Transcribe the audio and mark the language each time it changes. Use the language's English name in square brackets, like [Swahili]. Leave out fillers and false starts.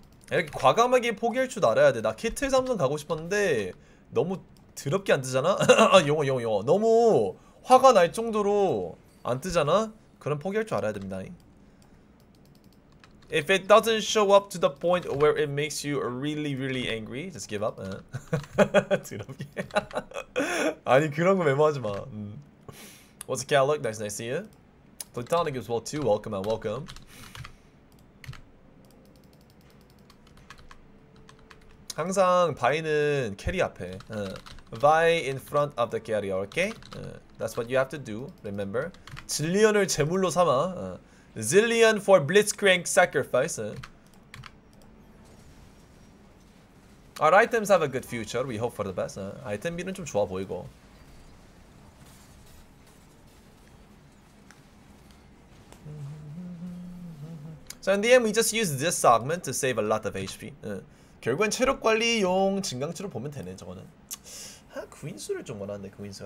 [Korean] 이렇게 과감하게 포기할 줄 알아야 돼. 나 키틀 삼성 가고 싶었는데 너무 드럽게 안 뜨잖아? 용어, 용어, 용어. 너무 화가 날 정도로 안 뜨잖아? 그럼 포기할 줄 알아야 됩니다. [English] If it doesn't show up to the point where it makes you really, really angry, just give up. [Korean] 드럽게. 아니 그런 거 메모하지 마. [English] What's the cat look? Nice, nice to see you. Platonic as well too. Welcome and welcome. Always [Korean] 항상 바이는 캐리 앞에. [English] Vi in front of the carry, okay? That's what you have to do. Remember, [Korean] 질리언을 제물로 삼아. [English] Zillion for Blitzcrank sacrifice. Our items have a good future. We hope for the best. Item [Korean] 비는 좀 좋아 보이고. [English] 자, so in the end, we just use this augment to save a lot of HP. [Korean] 결국엔 체력 관리용 증강체로 보면 되네, 저거는. 아, 구인수를 좀 원하는데, 구인수.